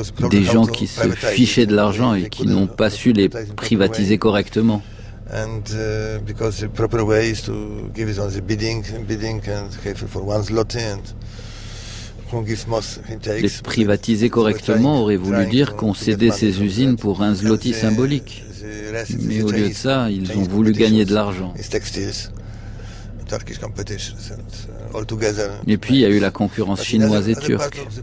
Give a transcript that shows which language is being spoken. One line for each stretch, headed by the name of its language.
French: Des gens qui se fichaient de l'argent et qui n'ont pas su les privatiser correctement.
English: Because the proper way is to give it on the bidding and have it for one slot and who gives most he takes.
French: Les privatiser correctement aurait voulu dire concéder ces usines pour un zloty symbolique. Mais au lieu de ça, ils ont voulu gagner de l'argent. Et puis, il y a eu la concurrence chinoise et turque.